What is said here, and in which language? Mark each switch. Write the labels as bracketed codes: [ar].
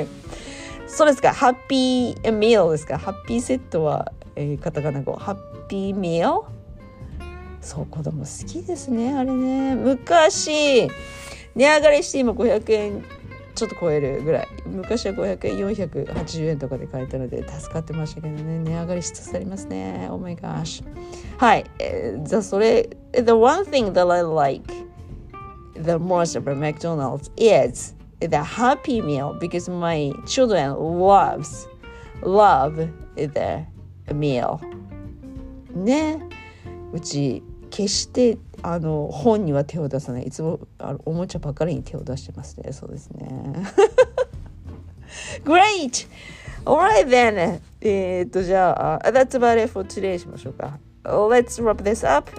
[ja] はい、そうですか、ハッピーミールですか、ハッピーセットは、カタカナ語ハッピーミール。そう、子供好きですねあれね。昔値上がりして今500円ちょっと超えるぐらい、昔は500円480円とかで買えたので助かってましたけどね、値上がりしつつありますね。 [en] Oh my gosh。はい、それ The one thing that I like the most about McDonald's is the happy meal because my children love the meal ね。 [ja] うち決してあの本には手を出さない、いつもあのおもちゃばかりに手を出してますね。そうですね Great! [en] Alright then、じゃあ That's about it for today しましょうか。 Let's wrap this up。